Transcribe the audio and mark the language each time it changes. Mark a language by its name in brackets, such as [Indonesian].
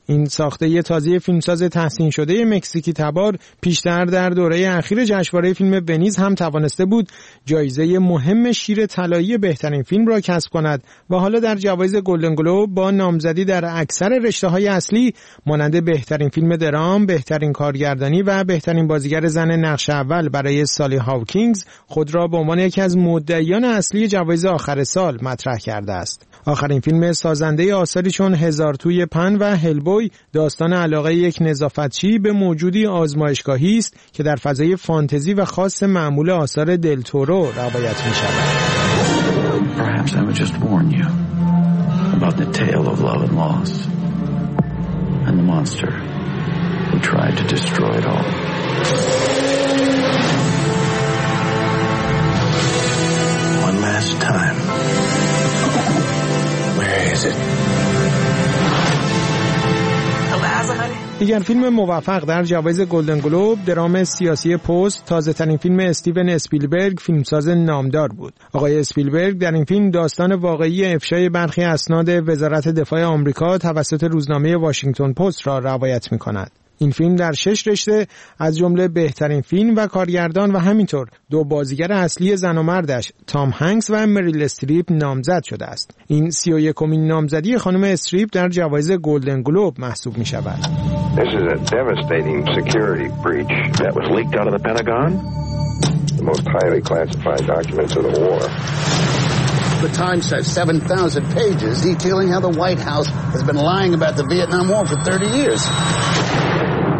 [Persian] این ساخته تازه فیلمساز تحسین شده مکزیکی تبار پیشتر در دوره اخیر جشنواره فیلم ونیز هم توانسته بود جایزه مهم شیر طلایی بهترین فیلم را کسب کند و حالا در جوایز گلدن گلوب با نامزدی در اکثر رشته‌های اصلی مانند بهترین فیلم درام، بهترین کارگردانی و بهترین بازیگر زن نقش اول برای سالی هاوکینگز خود را به عنوان یکی از مدعیان اصلی جوایز آخر سال مطرح کرده است. آخرین فیلم سازنده آثاری چون هزار توی پن و هلبوی داستان علاقه یک نظافتچی به موجودی آزمایشگاهی است که در فضای فانتزی و خاص معمول آثار دلتورو روایت می شود. [English] About the tale of love and loss and the monster who tried to destroy it all. One last time. Where is it? [Persian] دیگر فیلم موفق در جوایز گلدن گلوب درام سیاسی پست تازه ترین فیلم استیون اسپیلبرگ فیلمساز نامدار بود. آقای اسپیلبرگ در این فیلم داستان واقعی افشای برخی اسناد وزارت دفاع آمریکا توسط روزنامه واشنگتن پست را روایت می کند. این فیلم در 6 رشته از جمله بهترین فیلم و کارگردان و همینطور دو بازیگر اصلی زن و مردش تام هنگس و مریل استریپ نامزد شده است. این 31مین نامزدی خانم استریپ در جوایز گلدن گلوب محسوب می شود. [English] This is a devastating security breach that was leaked out of the Pentagon. The most highly classified documents of the war. The Times has 7,000 pages detailing how the White House has been lying about the Vietnam War for 30 years.